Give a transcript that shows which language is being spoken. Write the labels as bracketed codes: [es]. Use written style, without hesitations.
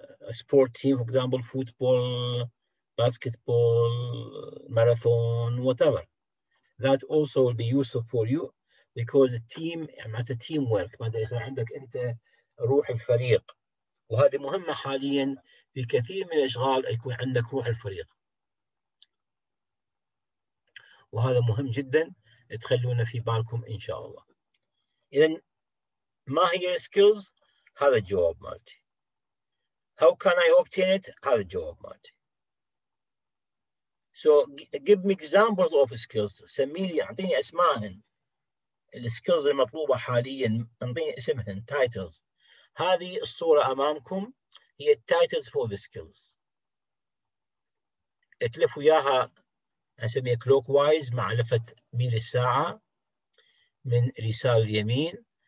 [en] a sport team for example football، basketball، marathon، whatever، that also will be useful for you because the team [ar] معناته teamwork، معناته عندك انت روح الفريق، وهذه مهمة حاليا في كثير من الاشغال يكون عندك روح الفريق، وهذا مهم جدا تخلونا في بالكم ان شاء الله. اذا ما هي السكيلز؟ هذا الجواب مالتي. [en] How can I obtain it؟ [ar] هذا الجواب مالتي. [en] So give me examples of skills. [ar] سميلي، أعطيني أسماءهن. السكيلز المطلوبة حالياً، أعطيني اسمهن، titles. هذه الصورة أمامكم هي [en] titles for the skills. [ar] اتلف وياها أسميها clockwise مع لفة ميل الساعة من اليسار اليمين.